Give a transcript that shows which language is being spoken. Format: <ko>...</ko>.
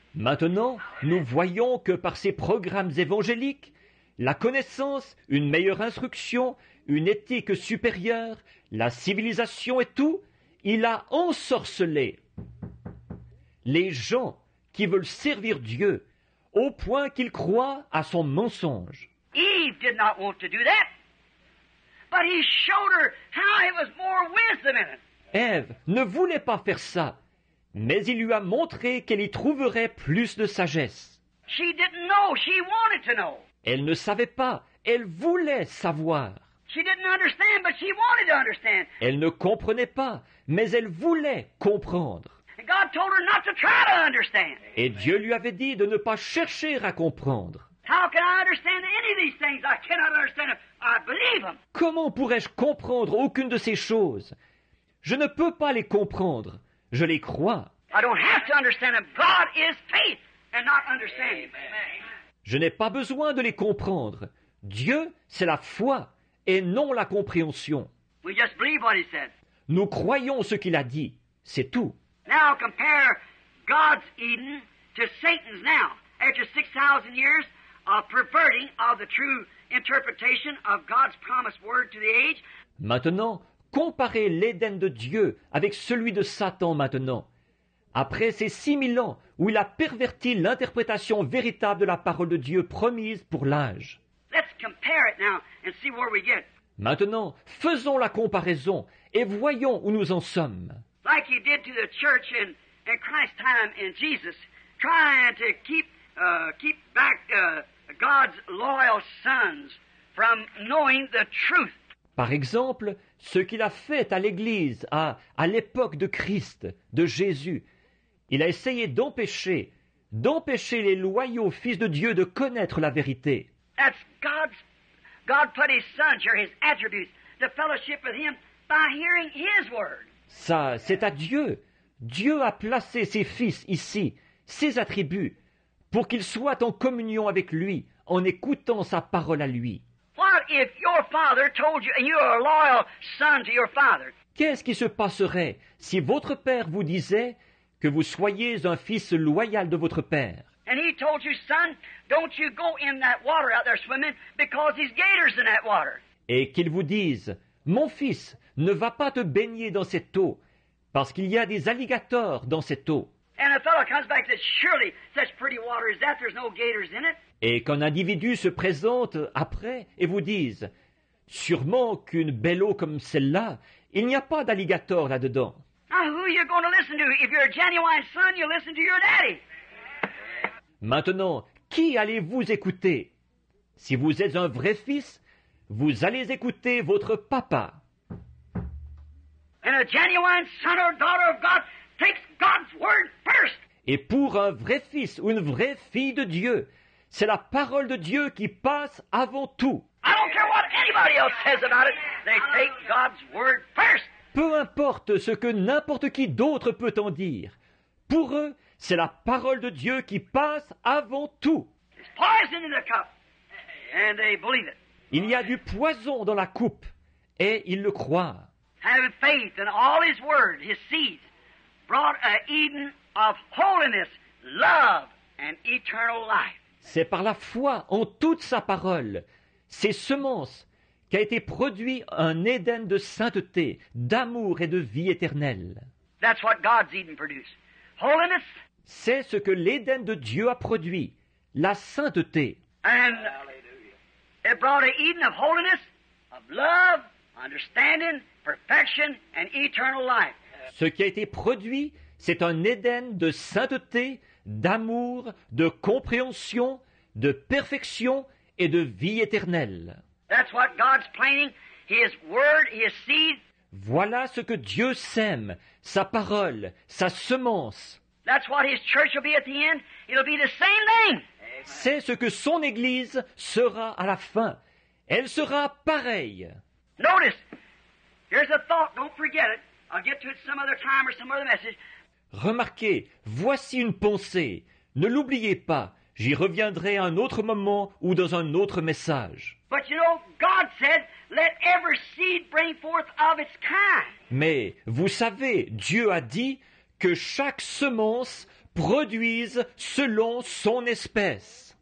<fr>Maintenant, nous voyons que par ses programmes évangéliques, la connaissance, une meilleure instruction, une éthique supérieure, la civilisation et tout, il a ensorcelé les gens qui veulent servir Dieu au point qu'ils croient à son mensonge.</fr> <en>Eve did not want to do that, but he showed her how it was more wisdom in it.</en> <fr>Ève ne voulait pas faire ça, mais il lui a montré qu'elle y trouverait plus de sagesse.</fr> <en>She didn't know, she wanted to know.</en> <fr>Elle ne savait pas, elle voulait savoir.</fr> <en>She didn't understand, but she wanted to understand.</en> <fr>Elle ne comprenait pas, mais elle voulait comprendre.</fr> <en>God told her not to try to understand.</en> <fr>Et Dieu lui avait dit de ne pas chercher à comprendre.</fr> <en>How can I understand any of these things? I cannot understand them. I believe them.</en> <fr>Comment pourrais-je comprendre aucune de ces choses? Je ne peux pas les comprendre. Je les crois.</fr> <en>I don't have to understand them. God is faith and not understanding. Amen.</en> <fr>Je n'ai pas besoin de les comprendre. Dieu, c'est la foi et non la compréhension.</fr> <en>We just believe what he said.</en> <fr>Nous croyons ce qu'il a dit. C'est tout.</fr> <en>Now compare God's Eden to Satan's now. After 6,000 years of perverting of the true interpretation of God's promised word to the age.</en> <fr>Maintenant, comparez l'Éden de Dieu avec celui de Satan maintenant. Après ces 6000 ans où il a perverti l'interprétation véritable de la parole de Dieu promise pour l'âge.</fr> <en>Let's compare it now and see where we get.</en> <fr>Maintenant, faisons la comparaison et voyons où nous en sommes.</fr> <en>Like he did to the church in Christ's time in Jesus, trying to keep back God's loyal sons from knowing the truth.</en> <fr>Par exemple, ce qu'il a fait à l'Église à l'époque de Christ, de Jésus, il a essayé d'empêcher les loyaux fils de Dieu de connaître la vérité.</fr> <en>That's God put his sons or his attributes to fellowship with him by hearing his word.</en> <fr>Ça, c'est à Dieu. Dieu a placé ses fils ici, ses attributs, pour qu'ils soient en communion avec lui, en écoutant sa parole à lui.</fr> <en>What if your father told you, and you're a loyal son to your father?</en> <fr>Qu'est-ce qui se passerait si votre père vous disait que vous soyez un fils loyal de votre père?</fr> <en>And he told you, son, don't you go in that water out there swimming because these gators in that water.</en> <fr>Et qu'il vous dise, mon fils, ne va pas te baigner dans cette eau, parce qu'il y a des alligators dans cette eau.</fr> <en>And a fellow comes back and says, surely such pretty water is that, there's no gators in it.</en> <fr>Et qu'un individu se présente après et vous dise, sûrement qu'une belle eau comme celle-là, il n'y a pas d'alligators là-dedans.</fr> <en>Now who are you going to listen to? If you're a genuine son, you listen to your daddy.</en> <fr>Maintenant, qui allez-vous écouter? Si vous êtes un vrai fils, vous allez écouter votre papa.</fr> <en>And a genuine son or daughter of God takes God's word first.</en> <fr>Et pour un vrai fils ou une vraie fille de Dieu, c'est la parole de Dieu qui passe avant tout.</fr> <en>I don't care what anybody else says about it. They take God's word first.</en> <fr>Peu importe ce que n'importe qui d'autre peut en dire. Pour eux, c'est la parole de Dieu qui passe avant tout.</fr> <en>It's poison in the cup, and they believe it.</en> <fr>Il y a du poison dans la coupe et ils le croient.</fr> <en>Having faith in all his word, his seed, brought an Eden of holiness, love, and eternal life.</en> <fr>C'est par la foi en toute sa parole, ses semences, qu'a été produit un Éden de sainteté, d'amour et de vie éternelle.</fr> <en>That's what God's Eden produced. Holiness.</en> <fr>C'est ce que l'Éden de Dieu a produit, la sainteté.</fr> <en>And that brought an Eden of holiness, of love, understanding, perfection, and eternal life.</en> <fr>Ce qui a été produit, c'est un Éden de sainteté, d'amour, de compréhension, de perfection et de vie éternelle.</fr> <en>That's what God's planting, His word, His seed.</en> <fr>Voilà ce que Dieu sème, sa parole, sa semence.</fr> <en>That's what His church will be at the end. It'll be the same thing.</en> <fr>C'est ce que son église sera à la fin. Elle sera pareille.</fr> <en>Notice, here's a thought, don't forget it. I'll get to it some other time or some other message.</en> <fr>Remarquez, voici une pensée. Ne l'oubliez pas, j'y reviendrai à un autre moment ou dans un autre message.</fr> <en>But you know, God said, let every seed bring forth of its kind.</en> <fr>Mais vous savez, Dieu a dit que chaque semence produise selon son espèce.</fr>